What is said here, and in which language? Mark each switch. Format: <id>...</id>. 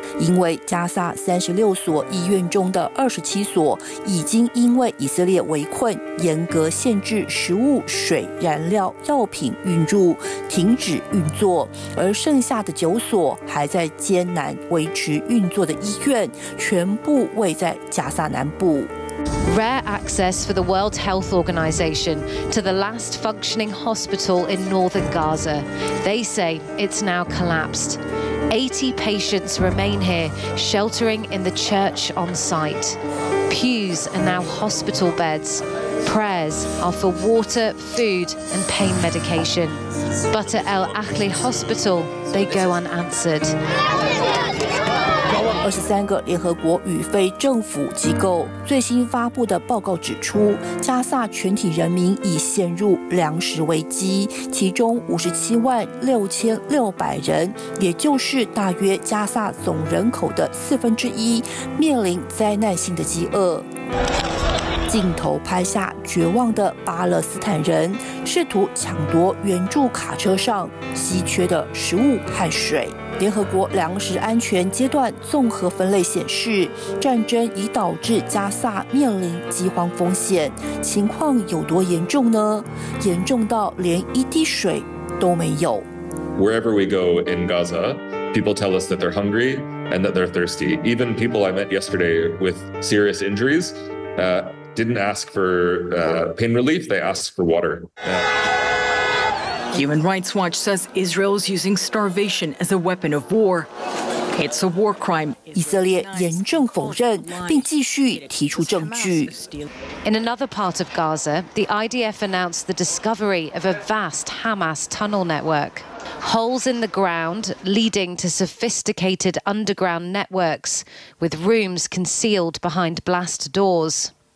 <zh>因为加萨36所医院中的27所已经因为以色列围困，严格限制食物、水、燃料、药品运入，停止运作，而剩下的9所还在艰难维持运作的医院，全部位在加萨南部。</zh> <en>Rare access for the World Health Organization to the last functioning hospital in northern Gaza. They say it's now collapsed. 80 patients remain here, sheltering in the church on site. Pews are now hospital beds. Prayers are for water, food, and pain medication. But at El Ahli Hospital, they go unanswered.</en> <zh>23个联合国与非政府机构最新发布的报告指出，加萨全体人民已陷入粮食危机，其中576,600人，也就是大约加萨总人口的四分之一，面临灾难性的饥饿。镜头拍下绝望的巴勒斯坦人试图抢夺援助卡车上稀缺的食物和水。联合国粮食安全阶段综合分类显示，战争已导致加萨面临饥荒风险。情况有多严重呢？严重到连一滴水都没有。</zh> <en>Wherever we go in Gaza, people tell us that they're hungry and that they're thirsty. Even people I met yesterday with serious injuries, didn't ask for pain relief. They asked for water. Human Rights Watch says Israel is using starvation as a weapon of war. It's a war crime.</en> <zh>以色列严正否认，并继续提出证据。</zh> <en>In another part of Gaza, the IDF announced the discovery of a vast Hamas tunnel network. Holes in the ground leading to sophisticated underground networks with rooms concealed behind blast doors.</en>